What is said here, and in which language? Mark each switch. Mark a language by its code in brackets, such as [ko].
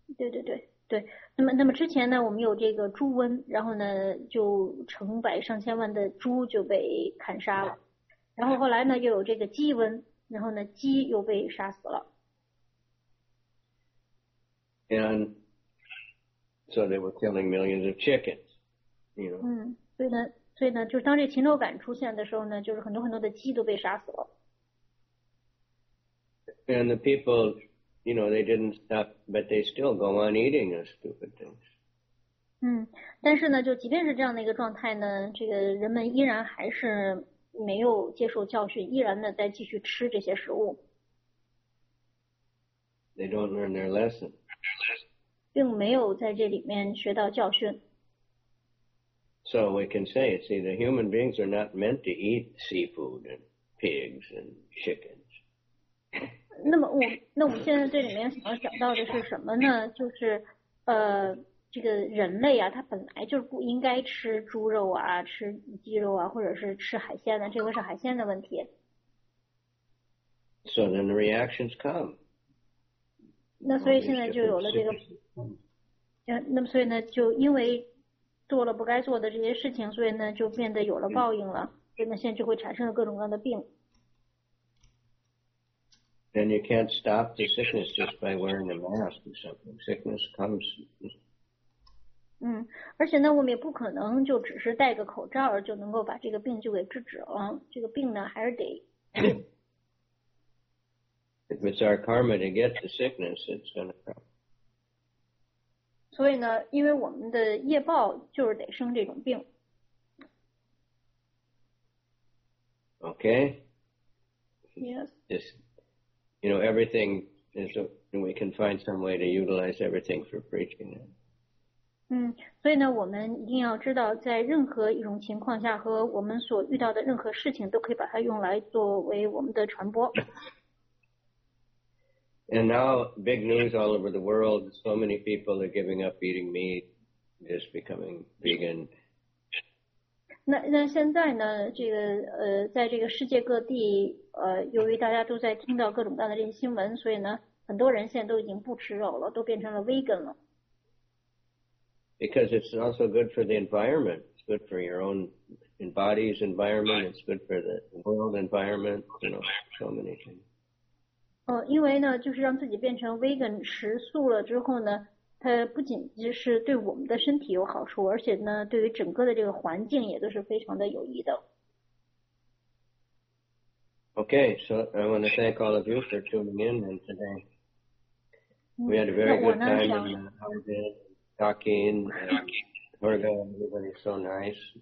[zh] 对对对对，那么之前呢，我们有这个猪瘟，然后呢，就成百上千万的猪就被砍杀了，然后后来呢，又有这个鸡瘟，然后呢，鸡又被杀死了。 [en] And so they were killing millions of chickens, you know. [zh] 所以呢，就是当这禽流感出现的时候呢，就是很多很多的鸡都被杀死了。 [en] And the people, you know, they didn't stop, but they still go on eating the stupid things. [zh] 但是呢，就即便是这样的一个状态呢，这个人们依然还是没有接受教训，依然呢在继续吃这些食物。 [en] They don't learn their lesson. [zh] 并没有在这里面学到教训。 [en] So we can say, see, the human beings are not meant to eat seafood and pigs and chickens. [zh] 那我们现在这里面想要讲到的是什么呢？就是这个人类啊，他本来就是不应该吃猪肉啊，吃鸡肉啊，或者是吃海鲜的，这个是海鲜的问题。 [en] So then the reactions come. [zh] 那所以现在就有了这个，那么所以呢，就因为。做了不该做的这些事情，所以呢就变得有了报应了，所以呢现在就会产生了各种各样的病。 [en] And you can't stop the sickness just by wearing a mask or something. Sickness comes. [zh] 而且呢我们也不可能就只是戴个口罩就能够把这个病就给制止了，这个病呢还是得。 [en] If it's our karma to get the sickness, it's going to come. [zh] 所以呢，因为我们的业报就是得生这种病。 [en] Okay. Yes. Just, you know, everything is, and we can find some way to utilize everything for preaching. [zh] 所以呢，我们一定要知道，在任何一种情况下和我们所遇到的任何事情，都可以把它用来作为我们的传播。 [en] And now, big news all over the world. So many people are giving up eating meat, just becoming vegan. [zh] 那现在呢？这个在这个世界各地，由于大家都在听到各种各样的这些新闻，所以呢，很多人现在都已经不吃肉了，都变成了 vegan 了。 [en] Because it's also good for the environment. It's good for your own body's environment. It's good for the world environment. You know, so many things. [zh] 因为呢就是让自己变成 vegan 食素了之后呢，它不仅就是对我们的身体有好处，而且呢对于整个的这个环境也都是非常的有益的。 [en] Okay, so I want to thank all of you for tuning in and today. We had a very good time in the talking and Virgo, everybody's so nice.